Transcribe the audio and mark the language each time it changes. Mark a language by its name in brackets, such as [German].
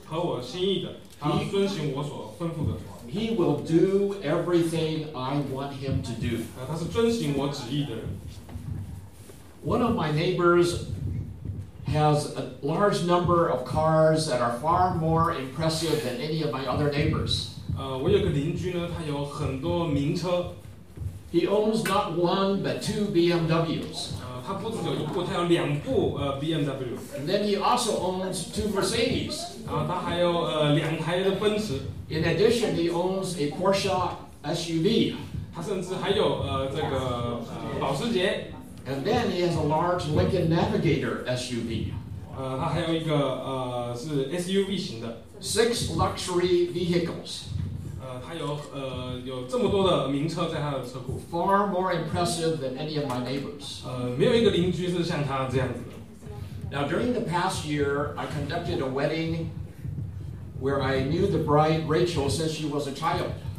[Chinese] 我看到大卫，耶西的儿子大卫，他是合我心意的，他遵行我所吩咐的。 [English] He will do everything I want him to do. [Chinese] 他是遵行我旨意的人。 [English] One of my neighbors has a large number of cars that are far more impressive than any of my other neighbors. [Chinese] 我有个邻居呢，他有很多名车。 [English] He owns not one, but two BMWs. [Chinese] 他不只有一部，他有两部BMW. [English] And then he also owns two Mercedes. [Chinese] 他还有两台的奔驰. [English] In addition, he owns a Porsche SUV. [Chinese] 他甚至还有这个保时捷. [English] And then he has a large Lincoln Navigator SUV. [Chinese] 他还有一个是SUV型的. [English] Six luxury vehicles. [Chinese] 他有这么多的名车在他的车库 [English] Far more impressive than any of my neighbors [Chinese] 没有一个邻居是像他这样子的 [English] Now during the past year, I conducted a wedding where I knew the bride, Rachel, since she was a child